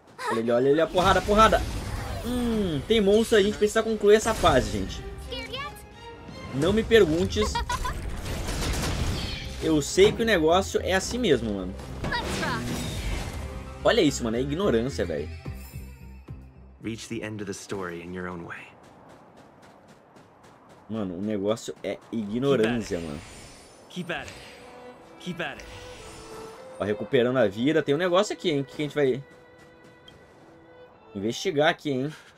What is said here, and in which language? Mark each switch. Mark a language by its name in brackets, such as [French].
[Portuguese] Olha ali, a porrada. Tem monstro, a gente precisa concluir essa fase, gente. Não me perguntes. Eu sei que o negócio é assim mesmo, mano. Olha isso, mano. É ignorância, velho. [English] Reach the end of the story in your own way. [Portuguese] Mano, o negócio é ignorância, mano. [English] Keep at it. [Portuguese] Ó, recuperando a vida. Tem um negócio aqui, hein? O que a gente vai investigar aqui, hein?